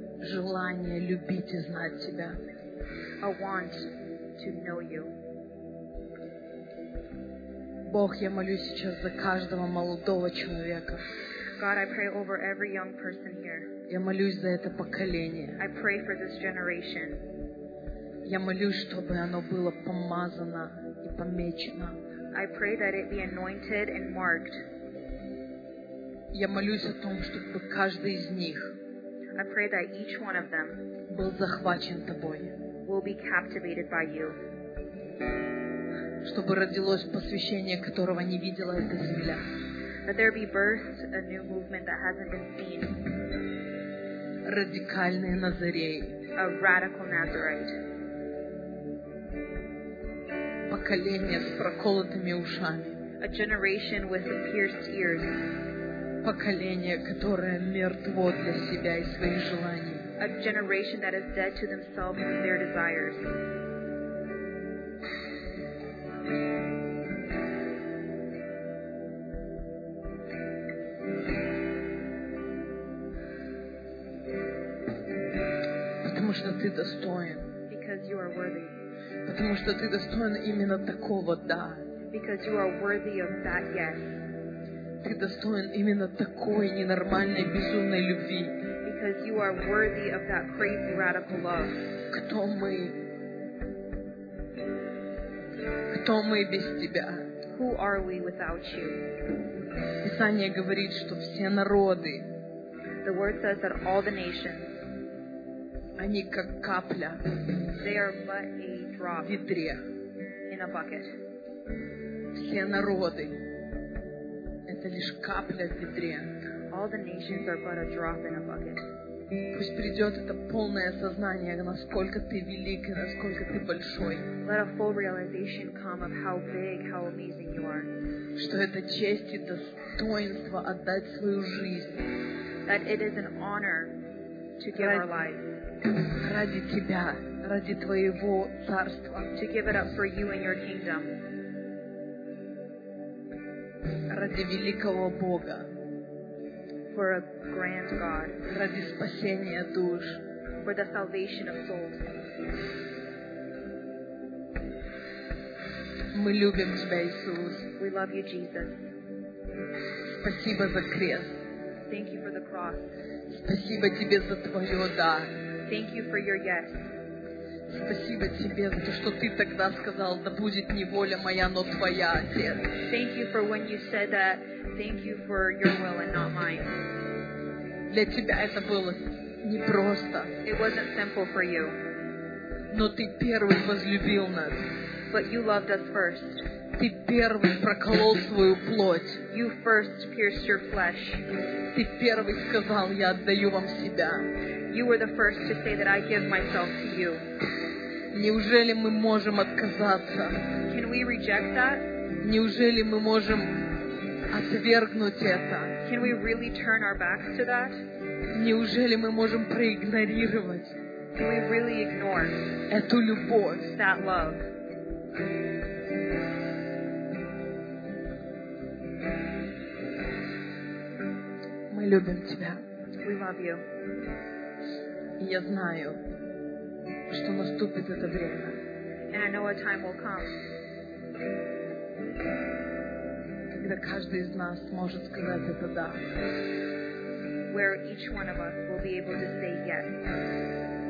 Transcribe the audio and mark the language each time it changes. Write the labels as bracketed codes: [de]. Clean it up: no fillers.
[ru] Желание любить и знать Тебя. [en] A want to know You. [ru] Бог, я молюсь сейчас за каждого молодого человека. [en] God, I pray over every young person here. [ru] Я молюсь за это поколение. [en] I pray for this generation. [ru] Я молюсь, чтобы оно было помазано и помечено. [en] I pray that it be anointed and marked. [ru] Я молюсь о том, чтобы каждый из них [en] I pray that each one of them [ru] был захвачен Тобой. [en] Will be captivated by You. [ru] Чтобы родилось посвящение, которого не видела эта земля. [en] That there be birthed a new movement that hasn't been seen. [ru] Радикальный Назарей. [en] A radical Nazarite. [ru] Поколение с проколотыми ушами. [en] A generation with pierced ears. [ru] Поколение, которое мертво для себя и своих желаний. [en] A generation that is dead to themselves and their desires. [ru] Потому что ты достоин. [en] Because you are worthy. [ru] Потому что ты достоин именно такого да. [en] Because you are worthy of that yes. [ru] Ты достоин именно такой ненормальной безумной любви. [en] Because you are worthy of that crazy radical love. [ru] Кто мы? Кто мы без тебя? [en] Who are we without you? [ru] Писание говорит, что все народы. [en] The word says that all the nations. [ru] Они как капля. [en] They are but a drop. [ru] В ведре. [en] In a bucket. [ru] Все народы. Это лишь капля в ведре. [en] All the nations are but a drop in a bucket. [ru] Пусть придет это полное осознание, насколько ты велик и насколько ты большой. [en] Let a full realization come of how big, how amazing you are. [ru] Что это честь и достоинство отдать свою жизнь. [en] That it is an honor to give our lives. [ru] Ради тебя, ради твоего царства. [en] To give it up for you and your kingdom. [ru] Ради великого Бога. [en] For a grand God. [ru] Ради спасения душ. [en] For the salvation of souls. [ru] Мы любим тебя, Иисус. [en] We love you, Jesus. [ru] Спасибо за крест. [en] Thank you for the cross. [ru] Спасибо тебе за твое да. [en] Thank you for your yes. [ru] Спасибо тебе за то, что ты тогда сказал, да будет не воля моя, но твоя, Отец. [en] Thank you for when you said that. Thank you for your will and not mine. [ru] Для тебя это было непросто. [en] It wasn't simple for you. [ru] Но ты первый возлюбил нас. [en] But you loved us first. [ru] Ты первый проколол свою плоть. [en] You first pierced your flesh. [ru] Ты первый сказал, я отдаю вам себя. [en] You were the first to say that I give myself to you. [ru] Неужели мы можем отказаться? [en] Can we reject that? [ru] Неужели мы можем отвергнуть это? [en] Can we really turn our backs to that? [ru] Неужели мы можем проигнорировать? [en] Can we really ignore [ru] эту любовь? [en] That love. [ru] Мы любим тебя. [en] We love you. [ru] И я знаю, что наступит это время. [en] And I know a time will come. [ru] Когда каждый из нас может сказать это да. [en] Where each one of us will be able to say yes.